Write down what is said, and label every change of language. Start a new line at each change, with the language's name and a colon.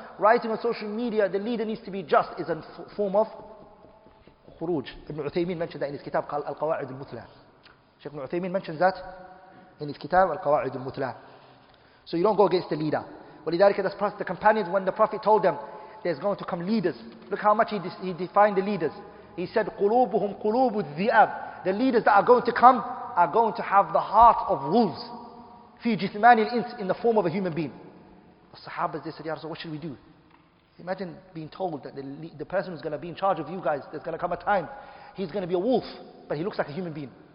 English: Writing on social media, the leader needs to be just, is a form of khuruj. Ibn Uthaymeen mentioned that in his kitab called Al-Qawa'id al-Muthla. Sheikh Ibn Uthaymeen mentions that in his kitab Al-Qawa'id al-Muthla. So you don't go against the leader. وَلِذَٰلِكَ The companions, when the Prophet told them, there's going to come leaders. Look how much he defined the leaders. He said,
Arabic: قُلُوبُهُمْ قُلُوبُ الذِّئَابِ.
English: The leaders that are going to come are going to have the heart of wolves.
Arabic: فِي جِثْمَانِ الْإِنْسِ,
English: in the form of a human being. The Sahabas, they said, Ya Rasul, what should we do? Imagine being told that the person who's going to be in charge of you guys, there's going to come a time, he's going to be a wolf, but he looks like a human being.